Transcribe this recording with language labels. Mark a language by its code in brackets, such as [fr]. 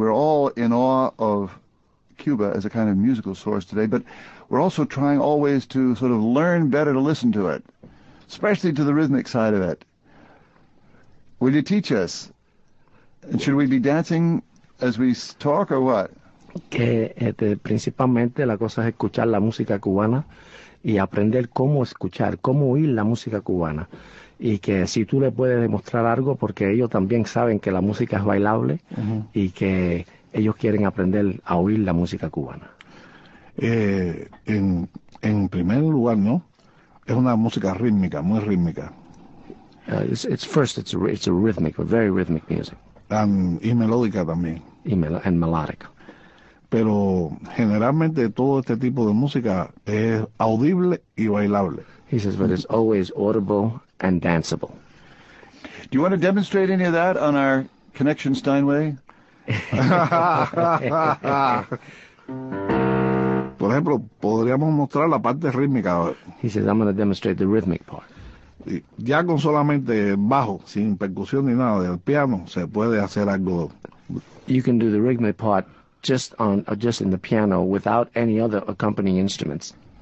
[en] We're all in awe of Cuba as a kind of musical source today, but we're also trying always to sort of learn better to listen to it, especially to the rhythmic side of it. Will you teach us? And should we be dancing as we talk, or what? [es] Que principalmente la cosa es escuchar la música cubana y aprender cómo escuchar, cómo oír la música cubana. Y que si tú le puedes demostrar algo, porque ellos también saben que la música es bailable, uh-huh, y que ellos quieren aprender a oír la música cubana. En primer lugar, ¿no? Es una música rítmica, muy rítmica. [en] It's a rhythmic, a very rhythmic music. [es] Y melódica también. [en] And melodic. [es] Pero generalmente todo este tipo de música es audible y bailable. [en] He says, but it's always audible and danceable. Do you want to demonstrate any of that on our Connection Steinway? [es] Por ejemplo, podríamos mostrar la parte rítmica. [en] He says, I'm going to demonstrate the rhythmic part. [es] ya con solamente bajo, sin percusión ni nada del piano, se puede hacer algo. [en] You can do the rhythmic part just on just in the piano without any other accompanying instruments.